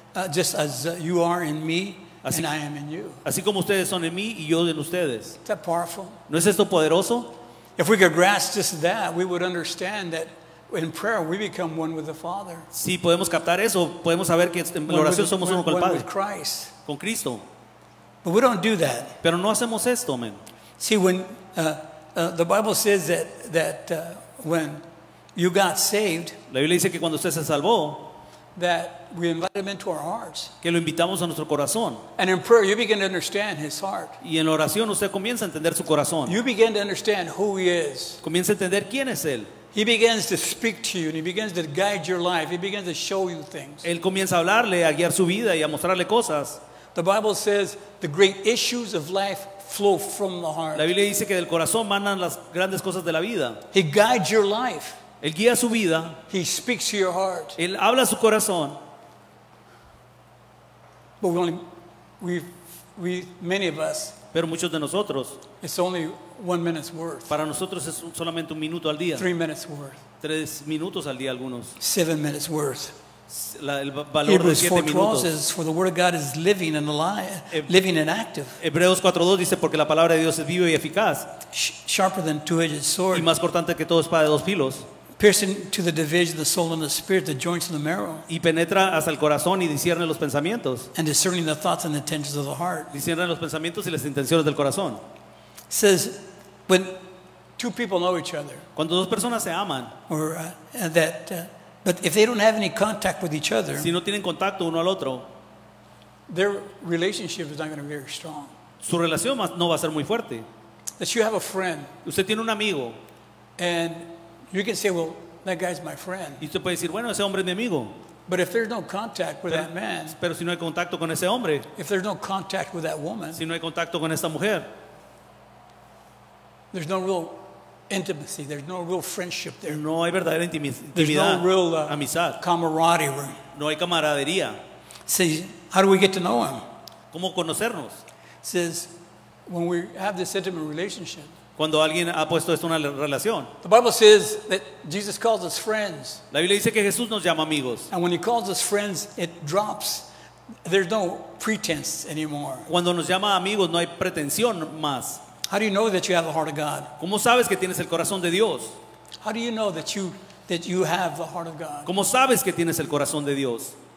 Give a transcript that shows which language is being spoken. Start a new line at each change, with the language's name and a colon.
English: Just as you are in me, así, and I am in you.
Spanish: Así como ustedes son en mí y yo en ustedes.
English: Is that powerful?
Spanish: ¿No es esto poderoso?
English: If we could grasp just that, we would understand that in prayer we become one with the Father.
Spanish: Si podemos captar eso, podemos saber que en la oración somos uno con el Padre.
English: One with Christ.
Spanish: Con Cristo.
English: But we don't do that.
Spanish: Pero no hacemos esto, man.
English: See, when the Bible says that when you got saved,
Spanish: la Biblia dice que cuando usted se salvó,
English: that we invite him into our hearts.
Spanish: Que lo invitamos a nuestro corazón.
English: And in prayer, you begin to understand his heart.
Spanish: Y en la oración usted comienza a entender su corazón.
English: You begin to understand who he is.
Spanish: Comienza a entender quién es él.
English: He begins to speak to you, and he begins to guide your life. He begins to show you things.
Spanish: Él comienza a hablarle, a guiar su vida y a mostrarle cosas.
English: The Bible says the great issues of life flow from the heart.
Spanish: La Biblia dice que del corazón manan las grandes cosas de la vida.
English: He guides your life.
Spanish: Él guía su vida.
English: He speaks to your heart.
Spanish: Él habla a su corazón.
English: But we many of us.
Spanish: Pero muchos de nosotros.
English: It's only 1 minute's worth.
Spanish: Para nosotros es solamente un minuto al día.
English: 3 minutes worth.
Spanish: 3 minutos al día algunos.
English: 7 minutes worth. Hebrews 4:12 says, "For the word of God is living and alive, living and active."
Spanish: Hebreos 4:2 dice, "Porque la palabra de Dios es viva y eficaz."
English: Sharper than two-edged sword.
Spanish: Y más cortante que toda espada de dos filos.
English: Piercing to the division of the soul and the spirit, the joints and the marrow.
Spanish: Y penetra hasta el corazón y discierne los pensamientos.
English: And discerning the thoughts and the intentions of the heart.
Spanish: Discierne los pensamientos y las intenciones del corazón.
English: Says, when two people know each other.
Spanish: Cuando dos personas se aman.
English: Or that. But if they don't have any contact with each other,
Spanish: si no tienen contacto uno al otro,
English: their relationship is not going to be very strong.
Spanish: Su relación no va a ser muy fuerte.
English: That you have a friend,
Spanish: usted tiene un amigo,
English: and you can say, "Well, that guy's my friend."
Spanish: Y usted puede decir, "Bueno, ese hombre es mi amigo."
English: But if there's no contact with that man,
Spanish: pero si no hay contacto con ese hombre,
English: if there's no contact with that woman,
Spanish: si no hay contacto con esa mujer,
English: there's no real intimacy, there's no real friendship there.
Spanish: No hay verdadera intimidad.
English: There's no real
Spanish: amistad.
English: Camaraderie.
Spanish: No hay camaradería.
English: See, how do we get to know him?
Spanish: ¿Cómo conocernos?
English: Says when we have this intimate relationship.
Spanish: Cuando alguien ha puesto esto en una relación.
English: The Bible says that Jesus calls us friends.
Spanish: La Biblia dice que Jesús nos llama amigos.
English: And when he calls us friends, it drops. There's no pretense anymore.
Spanish: Cuando nos llama amigos, no hay pretensión más.
English: How do you know that you have the heart of God?
Spanish: ¿Cómo sabes que tienes el corazón de Dios?
English: How do you know that you have the heart of God?
Spanish: ¿Cómo sabes que tienes el corazón de Dios?